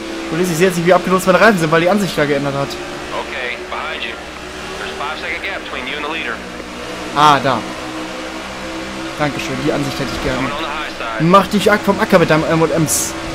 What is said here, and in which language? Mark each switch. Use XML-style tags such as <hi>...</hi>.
<de>Und ich sehe jetzt nicht, wie abgenutzt meine Reifen sind, weil die Ansicht da geändert hat.</de> <en>Okay, behind you. There's a 5-second gap between you and the leader.</en> <de>Ah, da. Dankeschön, die Ansicht hätte ich gerne. Mach dich vom Acker mit deinem M&Ms.</de>